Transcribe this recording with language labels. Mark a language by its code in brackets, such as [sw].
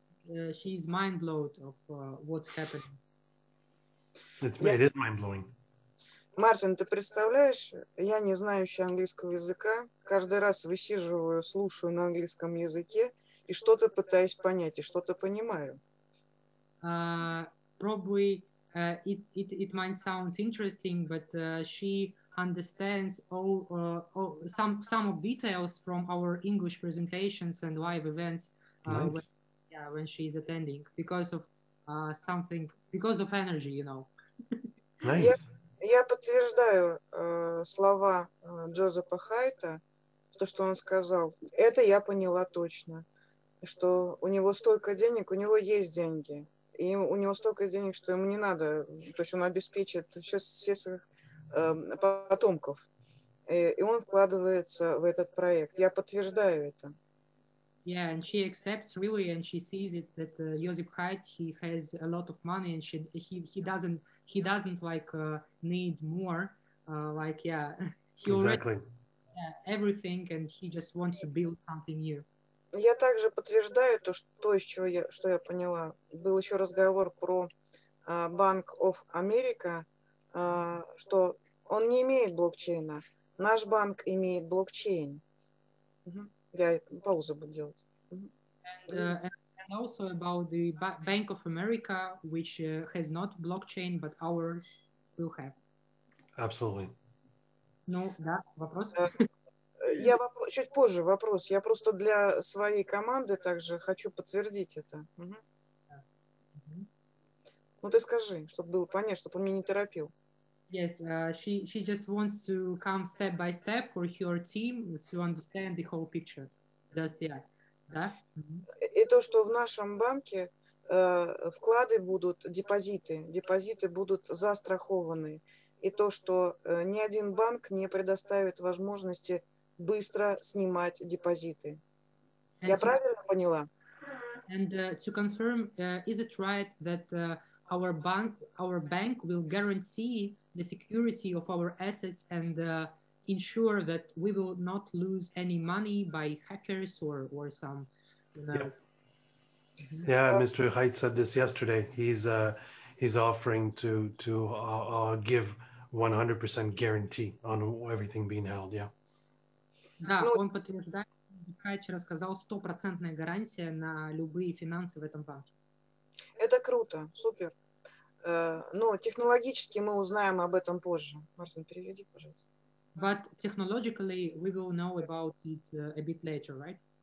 [en] She is mind blown of what happened. It is mind blowing. [ru] Мартин, ты представляешь, я не знающий английского языка, каждый раз высиживаю, слушаю на английском языке и что-то пытаюсь понять и что-то понимаю. [en] Probably it might sound interesting, but she understands some of details from our English presentations and live events when she's attending because of something, because of energy, you know. Nice. [ru] Я подтверждаю слова Джозефа Хайта, то, что он сказал. Это я поняла точно, что у него столько денег, у него есть деньги, и у него столько денег, что ему не надо, то есть он обеспечит все своих потомков, и он вкладывается в этот проект. Я подтверждаю это. [en] Yeah, and she accepts really, and she sees it that Josip Haidt, he has a lot of money, and he doesn't like need more, like yeah, he exactly. already yeah, everything, and he just wants to build something new. [ru] Я также подтверждаю то, что я поняла. Был еще разговор про Bank of America. Что он не имеет блокчейна. Наш банк имеет блокчейн. Я паузу буду делать. [en] And also about the Bank of America, which has not blockchain, but ours will have. Absolutely. [ru] Ну, да, вопрос? Я чуть позже вопрос. Я просто для своей команды также хочу подтвердить это. Ну, ты скажи, чтобы было понятно, чтобы он меня не торопил. [en] Yes, she just wants to come step by step for her team to understand the whole picture. Does that? Yeah. [ru] Да? [en] Mm-hmm. [ru] И то, что в нашем банке вклады будут, депозиты будут застрахованы. И то, что ни один банк не предоставит возможности быстро снимать депозиты. And я правильно поняла? [en] And to confirm, is it right that our bank will guarantee the security of our assets and ensure that we will not lose any money by hackers or some. Yeah, Mr. Haidt said this yesterday. He's uh, he's offering to give 100% guarantee on everything being held, yeah. [ru] Да, он подтверждает, Хайчер сказал, 100% гарантия на любые финансы в этом банке. Это круто, супер. Но технологически мы узнаем об этом позже. Марсин, переведи, пожалуйста. [en] But technologically, we will know about it a bit later, right?